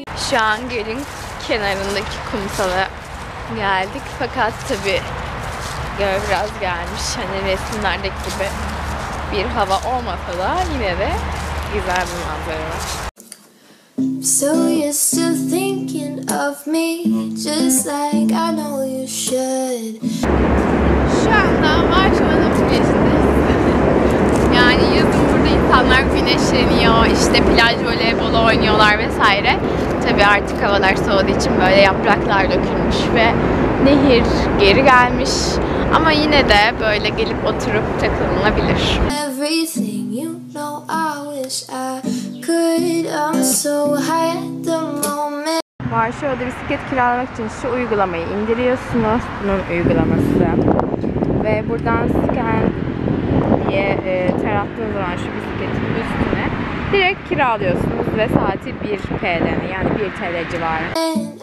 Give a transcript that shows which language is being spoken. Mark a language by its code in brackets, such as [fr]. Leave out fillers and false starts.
[tr] Şu an gölün kenarındaki kumsala geldik. Fakat tabii rüzgar biraz gelmiş. Hani resimlerdeki gibi bir hava olmasa da yine de güzel bir manzara var. [en] So you're still thinking of me just like I know you should. [tr] Şu anda Marşman'ın güneşini yani yazın burada insanlar güneşleniyor, işte plaj voleybolu oynuyorlar vesaire. Tabii artık havalar soğuduğu için böyle yapraklar dökülmüş ve nehir geri gelmiş. Ama yine de böyle gelip oturup takılınabilir. [en] Everything you know I wish I could, I'm so high at the moment. [tr] Varşova'da bisiklet kiralamak için şu uygulamayı indiriyorsunuz. Bunun uygulaması. Ve buradan scan diye ter attığınız zaman şu bisikletin üstüne direkt kiralıyorsunuz ve saati 1 PL'den yani 1 TL civarı.